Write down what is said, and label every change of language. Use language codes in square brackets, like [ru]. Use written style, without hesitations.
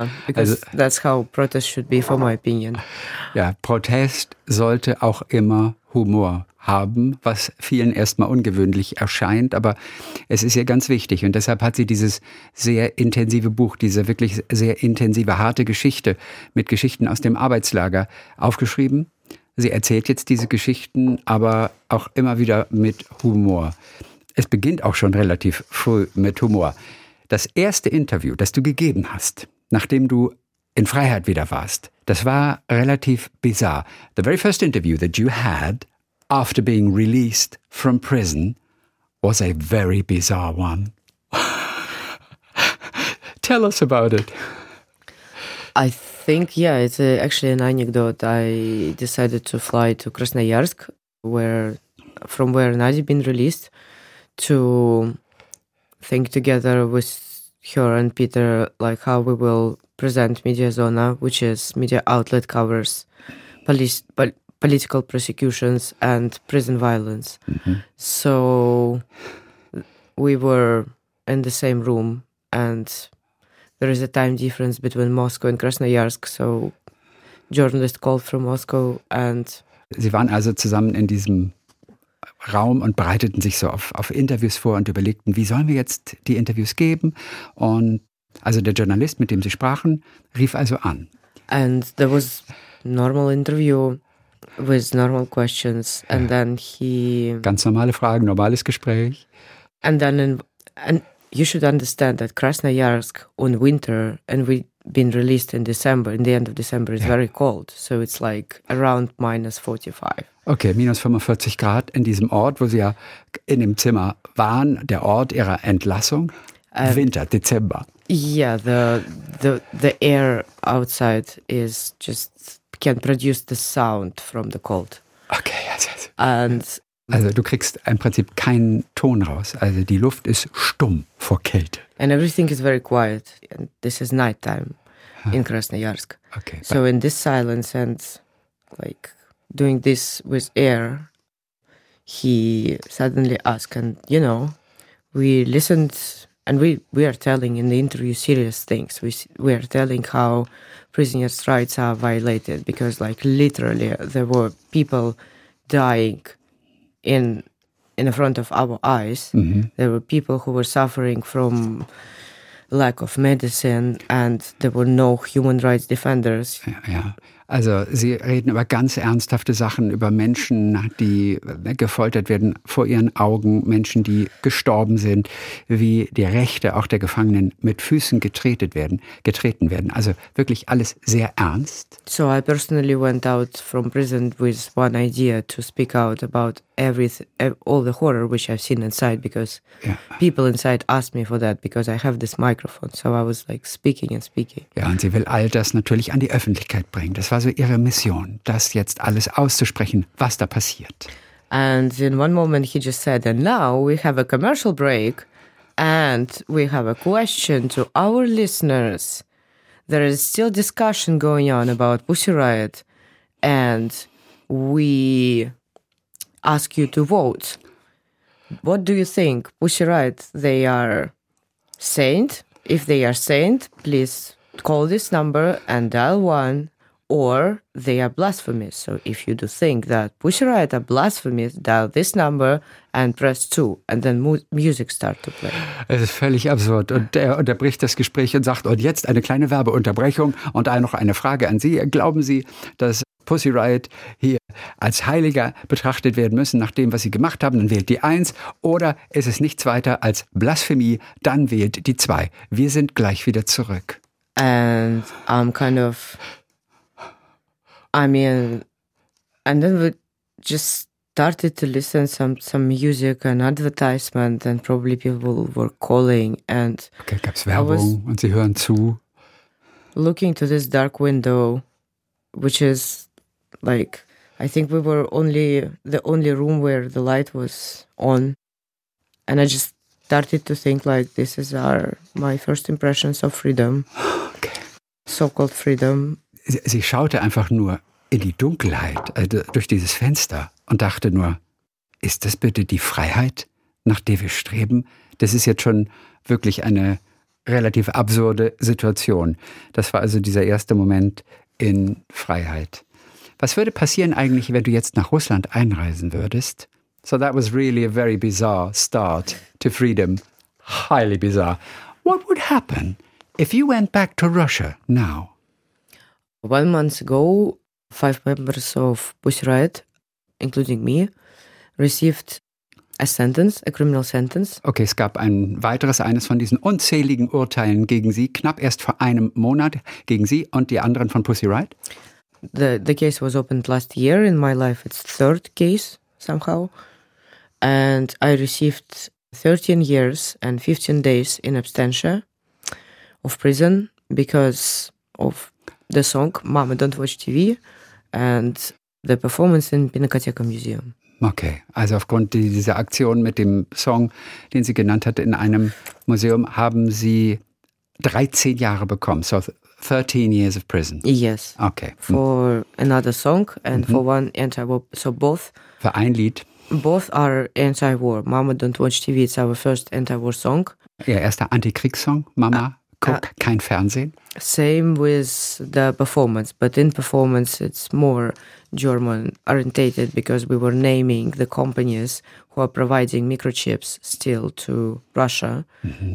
[en] Because that's how protest should be, for my opinion. [de] Ja, Protest sollte auch immer Humor haben, was vielen erstmal ungewöhnlich erscheint, aber es ist ihr ganz wichtig. Und deshalb hat sie dieses sehr intensive Buch, diese wirklich sehr intensive, harte Geschichte mit Geschichten aus dem Arbeitslager aufgeschrieben. Sie erzählt jetzt diese Geschichten, aber auch immer wieder mit Humor. Es beginnt auch schon relativ früh mit Humor. Das erste Interview, das du gegeben hast, nachdem du in Freiheit wieder warst, das war relativ bizarr. [en] The very first interview that you had after being released from prison was a very bizarre one. Tell us about it. I think, yeah, it's actually an anecdote. I decided to fly to Krasnoyarsk, from where Nadia been released, to think together with her and Peter, like how we will present Mediazona, which is media outlet covers political persecutions and prison violence. Mm-hmm. So we were in the same room, and there is a time difference between Moscow and Krasnoyarsk. So journalist called from Moscow, and [de] sie waren also zusammen in diesem Raum und bereiteten sich so auf Interviews vor und überlegten, wie sollen wir jetzt die Interviews geben? Und also der Journalist, mit dem sie sprachen, rief also an. [en] And there was normal interview with normal questions, and then he [de] ganz normale Fragen, normales Gespräch. [en] And then and you should understand that Krasnoyarsk in winter, and we've been released in December, in the end of December, is very cold, so it's like around minus 45. [de] Okay, minus 45 Grad in diesem Ort, wo sie ja in dem Zimmer waren, der Ort ihrer Entlassung. Winter, Dezember. [en] Yeah, the air outside is just can produce the sound from the cold. Okay, yes. And [de] also du kriegst im Prinzip keinen Ton raus. Also die Luft ist stumm vor Kälte. [en] And everything is very quiet. And this is nighttime in Krasnoyarsk. Okay. So in this silence and like doing this with air, he suddenly asked, and you know, we listened, and we are telling in the interview serious things. We are telling how prisoners' rights are violated, because like literally there were people dying in front of our eyes. Mm-hmm. There were people who were suffering from lack of medicine, and there were no human rights defenders. Yeah. [de] Also sie reden über ganz ernsthafte Sachen, über Menschen, die gefoltert werden vor ihren Augen, Menschen, die gestorben sind, wie die Rechte auch der Gefangenen mit Füßen getreten werden. Also wirklich alles sehr ernst. [en] So I personally went out from prison with one idea to speak out about all the horror which I've seen inside, because people inside asked me for that, because I have this microphone. So I was like speaking and speaking. [de] Ja, und sie will all das natürlich an die Öffentlichkeit bringen. Das war so ihre Mission, das jetzt alles auszusprechen, was da passiert. [en] And in one moment he just said, and now we have a commercial break and we have a question to our listeners. There is still discussion going on about Pussy Riot, and we ask you to vote. What do you think? Pussy Riot, they are saint? If they are saint, please call this number and dial one. Or they are blasphemous. So if you do think that Pussy Riot are blasphemous, dial this number and press 2. And then music start to play. [de] Es ist völlig absurd. Und er unterbricht das Gespräch und sagt, und jetzt eine kleine Werbeunterbrechung und noch eine Frage an Sie. Glauben Sie, dass Pussy Riot hier als Heiliger betrachtet werden müssen, nach dem, was Sie gemacht haben? Dann wählt die 1. Oder ist es nichts weiter als Blasphemie? Dann wählt die 2. Wir sind gleich wieder zurück. [en] And I'm kind of, I mean, and then we just started to listen some music and advertisement, and probably people were calling, and [de] okay, gab's Werbung und sie hören zu. [en] Looking to this dark window, which is like, I think we were only the only room where the light was on, and I just started to think like, this is my first impressions of freedom. Okay. So-called freedom. [de] Sie schaute einfach nur in die Dunkelheit, also durch dieses Fenster, und dachte nur, ist das bitte die Freiheit, nach der wir streben? Das ist jetzt schon wirklich eine relativ absurde Situation. Das war also dieser erste Moment in Freiheit. Was würde passieren eigentlich, wenn du jetzt nach Russland einreisen würdest? [en] So that was really a very bizarre start to freedom. Highly bizarre. What would happen if you went back to Russia now? 1 month ago, 5 members of Pussy Riot, including me, received a sentence, a criminal sentence. [de] Okay, es gab ein weiteres, eines von diesen unzähligen Urteilen gegen Sie, knapp erst vor einem Monat gegen Sie und die anderen von Pussy Riot. [en] The case was opened last year. In my life, it's third case somehow. And I received 13 years and 15 days in absentia of prison because of the song Mama Don't Watch TV and the performance in Pinakotheca Museum. [de] Okay, also aufgrund dieser Aktion mit dem Song, den sie genannt hat, in einem Museum, haben sie 13 Jahre bekommen. [en] So 13 years of prison. Yes. Okay. For another song and for one anti-war, so both. [de] Für ein Lied. [en] Both are anti-war. Mama Don't Watch TV, it's our first anti-war song. [de] Ihr erster Antikriegssong, Mama, guck kein Fernsehen. [en] Same with the performance, but in performance it's more German-orientated because we were naming the companies who are providing microchips still to Russia. Mm-hmm.